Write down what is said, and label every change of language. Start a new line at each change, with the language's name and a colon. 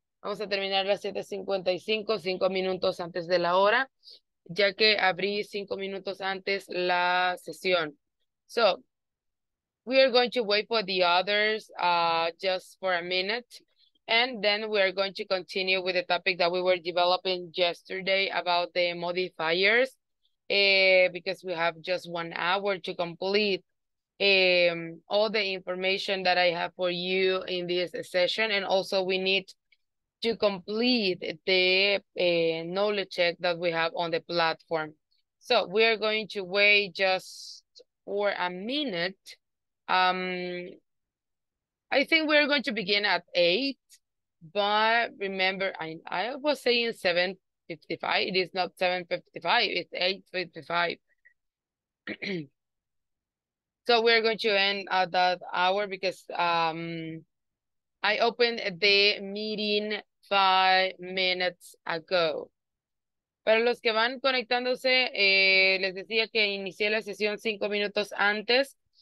Spanish: Vamos a terminar las 7:55, 5 minutos antes de la hora, ya que abrí 5 minutos antes la sesión.
English: So, we are going to wait for the others just for a minute, and then we are going to continue with the topic that we were developing yesterday about the modifiers, because we have just 1 hour to complete all the information that I have for you in this session, and also we need to complete the knowledge check that we have on the platform. So we are going to wait just for a minute. I think we're going to begin at 8, but remember, I was saying 7:55. It is not 7:55, it's 8:55. So we're going to end at that hour because I opened the meeting 5 minutes ago.
Spanish: Para los que van conectándose, les decía que inicié la sesión 5 minutos antes.